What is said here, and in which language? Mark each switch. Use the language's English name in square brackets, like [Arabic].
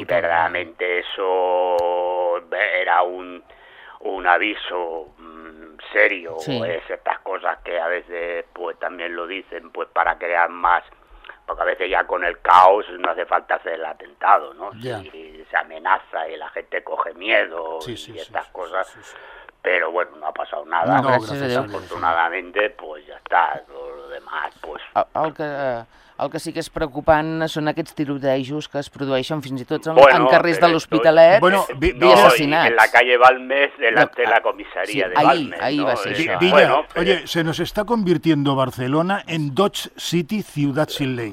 [Spanish] Si verdaderamente eso era un aviso serio, es estas cosas que a veces pues también lo dicen pues para crear más, porque a veces ya con el caos no hace falta hacer el atentado, ¿no? Yeah. Si se amenaza y la gente coge miedo cosas. Pero bueno, no ha pasado nada. No, gracias a Dios. Afortunadamente, pues ya está. Todo lo demás, pues... [Catalan] El que sí que és preocupant són aquests tirotejos que es produeixen fins i tot en carrers de l'Hospitalet i assassinats. [Spanish] En la calle Balmes, delante de la comissaria de Balmes. [Catalan] Ahí va ser això. [Spanish] Villa, oye, se nos está convirtiendo Barcelona en Dodge City, ciudad sin ley.